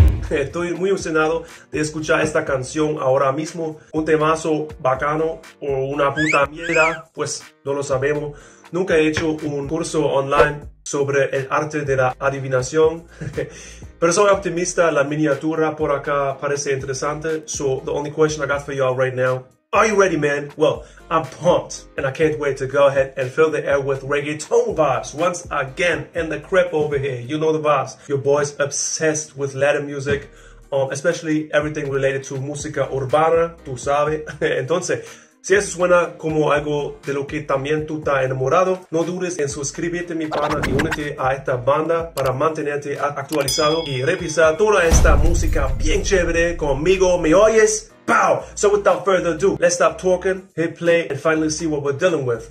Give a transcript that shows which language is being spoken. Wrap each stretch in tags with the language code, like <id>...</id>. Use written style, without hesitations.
<es>Estoy muy emocionado de escuchar esta canción ahora mismo. Un temazo bacano o una puta mierda, pues no lo sabemos. Nunca he hecho un curso online sobre el arte de la adivinación. Pero soy optimista, la miniatura por acá parece interesante.</es> <en>So the only question I got for y'all right now, are you ready, man? Well, I'm pumped and I can't wait to go ahead and fill the air with reggaeton vibes once again in the crib over here. You know the vibes. Your boy's obsessed with Latin music, especially everything related to</en> <es>música urbana, tú sabes. Entonces, si eso suena como algo de lo que también tú estás enamorado, no dudes en suscribirte a mi canal y únete a esta banda para mantenerte actualizado y revisar toda esta música bien chévere conmigo. ¿Me oyes? ¡Pow!</es> <en>So without further ado, let's stop talking, hit play, and finally see what we're dealing with.</en>